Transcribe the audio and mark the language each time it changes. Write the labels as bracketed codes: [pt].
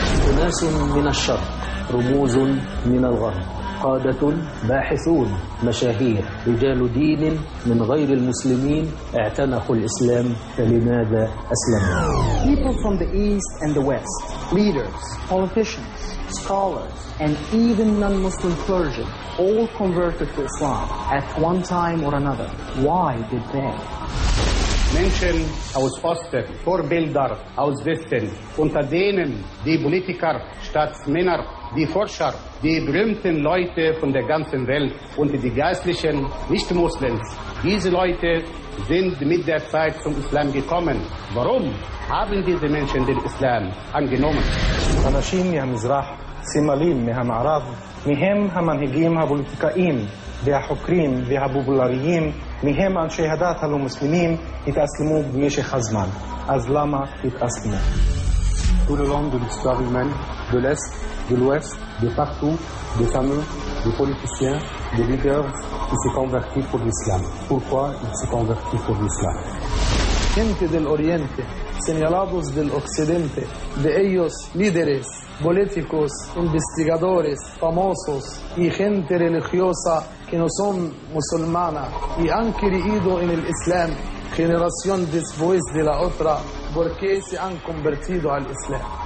[ar] أناس من الشرق، رموز من الغرب، قادة، باحثون، مشاهير، رجال دين من غير المسلمين اعتنقوا الإسلام، فلماذا أسلموا؟ [en] People from the East and the West, leaders, politicians, scholars, and even non-Muslim clergy all converted to Islam at one time or another. Why did they? [de] Menschen aus Osten, Vorbilder aus Westen, unter denen die Politiker, Staatsmänner, die Forscher, die berühmten Leute von der ganzen Welt und die geistlichen Nicht-Muslims, diese Leute sind mit der Zeit zum Islam gekommen. Warum haben diese Menschen den Islam angenommen? [he] Anashim ya Mizrah, Simalim ya Ma'arav, mihem ha-manhigim ha-politikaim, ve-ha-hukrim, ve-ha-bubulariyim, מהם אנשי הדת הלא מוסלמים התאסלמו במשך הזמן. אז למה התאסלמו? [fr] Tout le long de l'histoire humaine, de l'Est, de l'Ouest, de partout, des fameux, des politiciens, des leaders qui se convertis pour l'Islam. Pourquoi ils se convertis pour l'Islam? [es] Gente del Oriente, señalados del Occidente, de ellos líderes, políticos, investigadores, famosos y gente religiosa que no son musulmana y han creído en el Islam generación después de la otra, ¿por qué se han convertido al Islam?